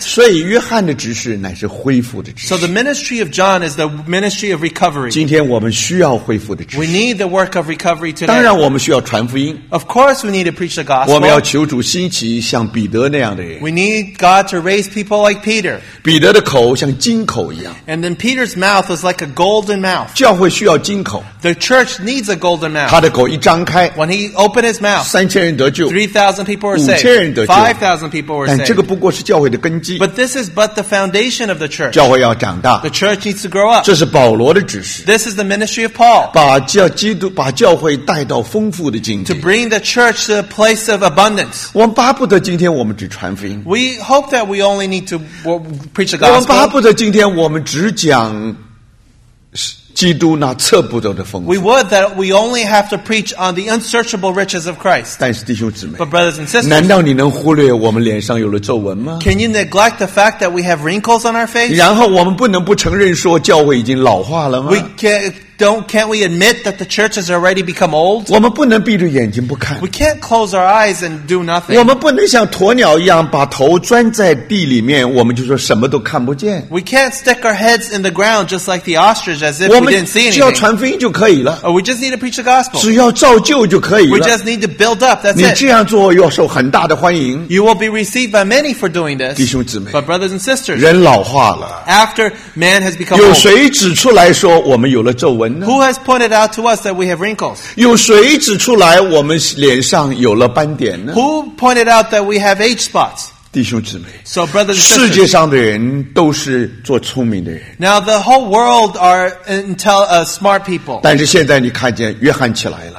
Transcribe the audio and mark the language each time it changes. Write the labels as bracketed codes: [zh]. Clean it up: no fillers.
[zh] 所以约翰的执事乃是恢复的执事。 [en] So the ministry of John is the ministry of recovery. [zh] 今天我们需要恢复的执事。 [en] We need the work of recovery today. [zh] 当然我们需要传福音。 [en] Of course we need to preach the gospel. [zh] 我们要求主兴起像彼得那样的人。 [en] We need God to raise people like Peter. [zh] 彼得的口像金口一样。 [en] And then Peter's mouth was like a golden mouth. [zh] 教会需要金口。 [en] The church needs a golden mouth. [zh] 他的口一张开。 [en] When he opened his mouth. [zh] 3000人得救。 [en] 5,000 people were saved. 5,000 people were saved. [zh] 但这个不过是教会的根基。 [en] But this is but the foundation of the church. [zh] 教会要长大。 [en] The church needs to grow up. [zh] 这是保罗的指示。 [en] This is the ministry of Paul. [zh] 把教会带到丰富的境界。 [en] To bring the church to a place of abundance. [zh] 我们巴不得今天我们只传福音。 [en] We hope that we only need to preach the gospel. [zh] 我们巴不得今天我们只讲基督那测不得的丰富。 [en] We would that we only have to preach on the unsearchable riches of Christ. [zh] 但是弟兄姊妹。 [en] But brothers and sisters. [zh] 难道你能忽略我们脸上有了皱纹吗? [en] Can you neglect the fact that we have wrinkles on our face? [zh] 然后我们不能不承认说教会已经老化了吗? [en] Can't we admit that the church has already become old? [zh] 我们不能闭着眼睛不看。 [en] We can't close our eyes and do nothing. [zh] 我们不能像鸵鸟一样把头钻在地里面，我们就说什么都看不见。 [en] We can't stick our heads in the ground just like the ostrich as if we didn't see anything. [zh] 只要传福音就可以了。 [en] We just need to preach the gospel. [zh] 只要造就就可以了。 [en] We just need to build up. That's it. [zh] 你这样做要受很大的欢迎。 [en] You will be received by many for doing this. [zh] 弟兄姊妹。 [en] But brothers and sisters. [zh] 人老化了。 [en] After man has become old. [zh] 有谁指出来说我们有了皱纹？ [en] Who has pointed out to us that we have wrinkles? [zh] 有谁指出来我们脸上有了斑点呢? [en] Who pointed out that we have age spots? [zh] 弟兄姊妹, [en] so brothers and sisters, [zh] 世界上的人都是做聪明的人。 [en] Now the whole world are smart people. [zh] 但是现在你看见约翰起来了。